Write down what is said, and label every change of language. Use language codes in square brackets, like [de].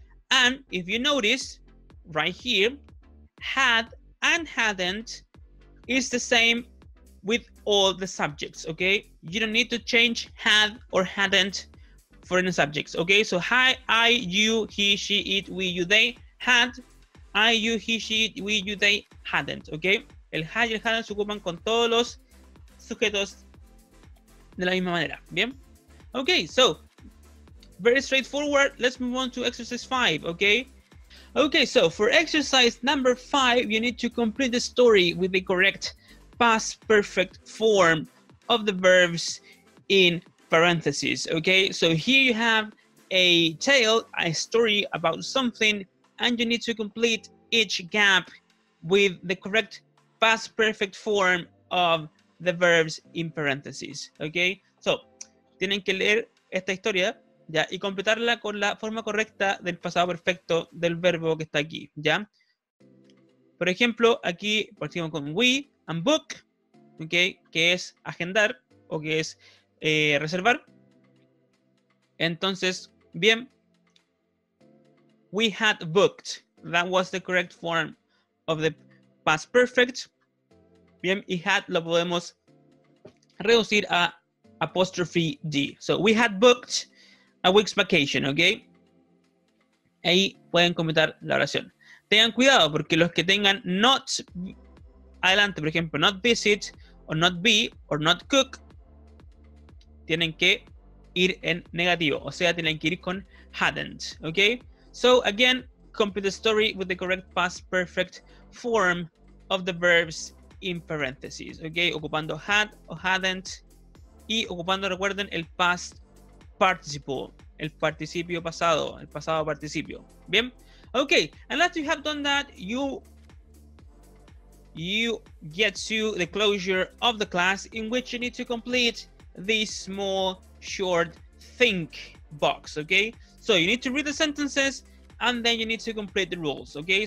[en] And if you notice, right here, had and hadn't is the same with all the subjects, okay? You don't need to change had or hadn't for any subjects, okay? So, hi, I, you, he, she, it, we, you, they, had, I, you, he, she, it, we, you, they, hadn't, okay? [es] El had y el hadn't se ocupan con todos los sujetos de la misma manera, ¿bien? [en] Okay, so, very straightforward. Let's move on to exercise 5, okay? Okay, so, for exercise number 5, you need to complete the story with the correct past perfect form of the verbs in parentheses, okay? So here you have a tale, a story about something, and you need to complete each gap with the correct past perfect form of the verbs in parentheses, okay? [es] So, tienen que leer esta historia, ¿ya? Y completarla con la forma correcta del pasado perfecto del verbo que está aquí, ¿ya? Por ejemplo, aquí partimos con we, and book, okay, que es agendar o que es reservar. Entonces, bien, [en] we had booked, That was the correct form of the past perfect. [es] Bien, y had lo podemos reducir a apostrophe D. [en] So we had booked a week's vacation, okay? [es] Ahí pueden completar la oración. Tengan cuidado porque los que tengan not adelante, por ejemplo, not visit, or not be, or not cook, tienen que ir en negativo. O sea, tienen que ir con hadn't, okay? [en] So again, complete the story with the correct past perfect form of the verbs in parentheses, okay? [es] Ocupando had o hadn't. Y ocupando, recuerden, el past participle, el participio pasado, el pasado participio. Bien. [en] Okay, and after you have done that, you get to the closure of the class in which you need to complete this small, short think box, okay? So you need to read the sentences and then you need to complete the rules, okay?